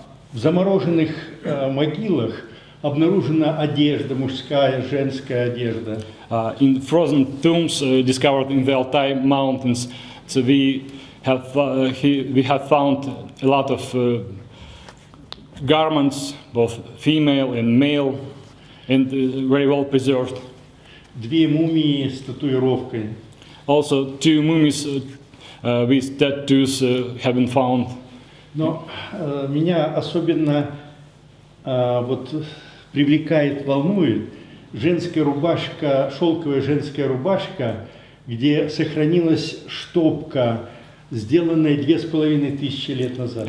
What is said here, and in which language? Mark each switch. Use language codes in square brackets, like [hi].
[ru] В замороженных могилах обнаружена одежда, мужская, женская одежда. [en] In frozen tombs discovered in the Altai Mountains, so we have found a lot of garments, both female and male, and very well preserved. [ru] Две мумии с татуировкой. [en] Also two mummies with tattoos have been found. [ru] Но меня особенно вот привлекает, волнует женская рубашка, шелковая женская рубашка, где сохранилась штопка, сделанная 2500 лет назад.